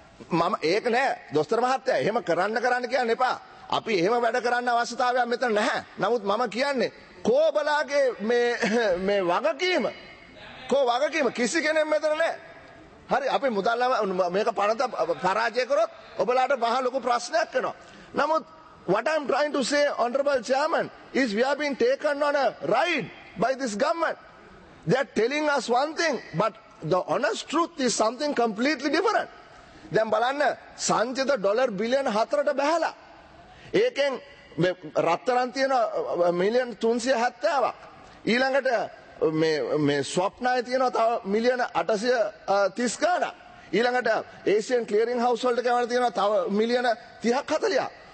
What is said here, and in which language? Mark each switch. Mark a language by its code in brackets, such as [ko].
[si] මම ඒක නෑ දොස්තර මහත්තයා, එහෙම කරන්න කියන්න එපා. අපි එහෙම වැඩ කරන්න අවශ්‍යතාවයක් මෙතන නැහැ. නමුත් මම කියන්නේ කෝබලාගේ මේ මේ වගකීම, කෝ වගකීම කිසි කෙනෙක් මෙතන නැහැ. හරි, අපි මුදල් මේක පරාජය කරොත් ඔබලාට මහ ලොකු ප්‍රශ්නයක් වෙනවා. නමුත් [en] what I'm trying to say honorable chairman is we have been taken on a ride by this government. They are telling us one thing, but the honest truth is something completely different. [si] දැන් බලන්න සංචිත dollar බිලියන 4ට බැහැලා. ඒකෙන් මේ රත්තරන් තියෙන මිලියන 370ක්. ඊළඟට මේ මේ ස්වප්නය තියෙන තව මිලියන 830 ගන්න. ඊළඟට ඒෂියන් ක්ලියරින් හවුස් වලට කැවල තියෙන තව මිලියන 30ක් 40ක්.